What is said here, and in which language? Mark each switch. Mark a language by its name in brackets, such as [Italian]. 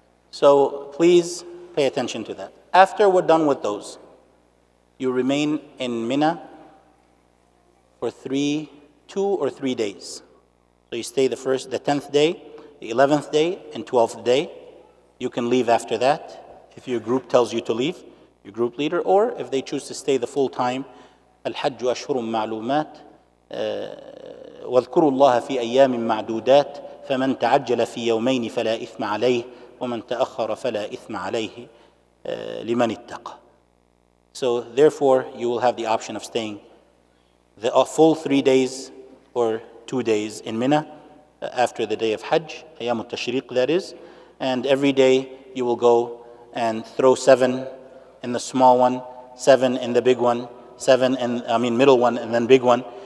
[English] So please pay attention to that. After we're done with those, you remain in Mina for 2 or 3 days. So you stay the 10th day, the 11th day, and 12th day. You can leave after that. If your group tells you to leave, your group leader, or if they choose to stay the full time, [Arabic] الحج أشهر معلومات واذكروا الله في أيام معدودات فمن تعجل في يومين فلا إثم عليه وَمَنْ تَأَخَّرَ فَلَا إِثْمَ عَلَيْهِ لِمَنِ اتَّقَى. [English] So therefore, you will have the option of staying the full 3 days or 2 days in Mina after the day of Hajj, Ayyam al-Tashriq that is. And every day you will go and throw 7 in the small one, 7 in the big one, 7 in, middle one and then big one.